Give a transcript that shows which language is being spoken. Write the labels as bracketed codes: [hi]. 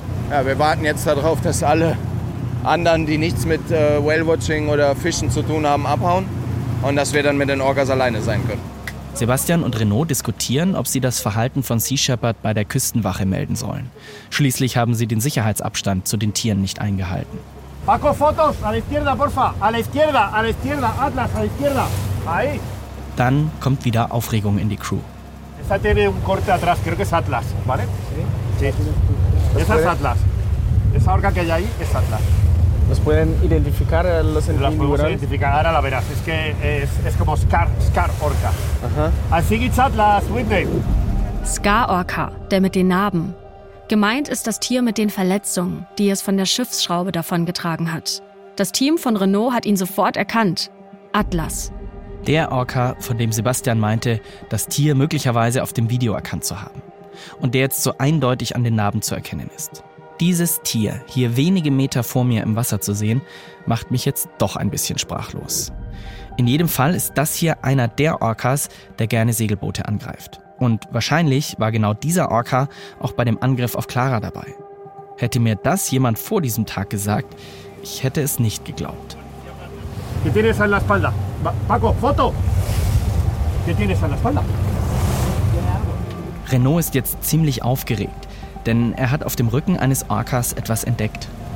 [de] Ja, wir warten jetzt darauf, dass alle anderen, die nichts mit Whale-Watching oder Fischen zu tun haben, abhauen. Und dass wir dann mit den Orcas alleine sein können. Sebastian und Renaud diskutieren, ob sie das Verhalten von Sea Shepherd bei der Küstenwache melden sollen. Schließlich haben sie den Sicherheitsabstand zu den Tieren nicht eingehalten. [es] Paco, Fotos, a la izquierda, porfa. A la izquierda, Atlas, a la izquierda. Ahí. [de] Dann kommt wieder Aufregung in die Crew. [es] Esa tiene un corte atrás, creo que es Atlas, ¿vale? Sí. Esa es Atlas. Esa orca que hay ahí es Atlas. ¿Los pueden identificar los individuos? Las podemos identificar, ahora la verás. Es que es como Scar Orca. Ajá. Así que es Atlas, Whitney. [de] Scar Orca, der mit den Narben. Gemeint ist das Tier mit den Verletzungen, die es von der Schiffsschraube davongetragen hat. Das Team von Renaud hat ihn sofort erkannt. Atlas. Der Orca, von dem Sebastian meinte, das Tier möglicherweise auf dem Video erkannt zu haben. Und der jetzt so eindeutig an den Narben zu erkennen ist. Dieses Tier, hier wenige Meter vor mir im Wasser zu sehen, macht mich jetzt doch ein bisschen sprachlos. In jedem Fall ist das hier einer der Orcas, der gerne Segelboote angreift. Und wahrscheinlich war genau dieser Orca auch bei dem Angriff auf Clara dabei. Hätte mir das jemand vor diesem Tag gesagt, ich hätte es nicht geglaubt. [es] ¿Qué tienes en la espalda? Paco, foto. ¿Qué tienes en la espalda? [de] Renault ist jetzt ziemlich aufgeregt, denn er hat auf dem Rücken eines Orcas etwas entdeckt.